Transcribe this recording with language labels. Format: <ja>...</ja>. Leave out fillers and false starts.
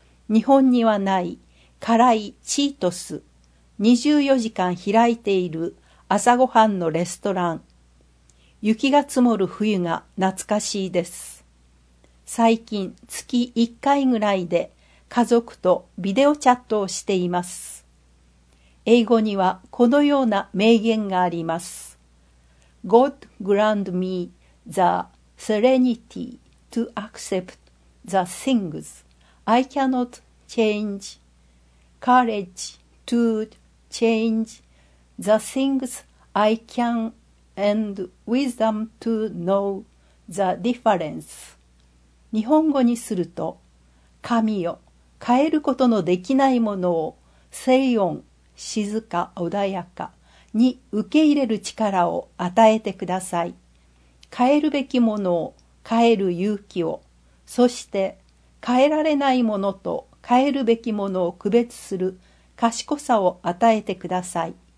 <ja>日本にはない辛いチートス、24時間開いている朝ごはんのレストラン、雪が積もる冬が懐かしいです。最近月1回ぐらいで家族とビデオチャットをしています。英語にはこのような名言があります。</ja> <en>God grant me the serenity to accept the things I cannot change, courage to change the things I can, and wisdom to know the difference.</en> <ja>日本語にすると、神よ、変えることのできないものを静穏、静か、穏やかに受け入れる力を与えてください。変えるべきものを変える勇気を、そして変えられないものと変えるべきものを区別する賢さを与えてください。</ja>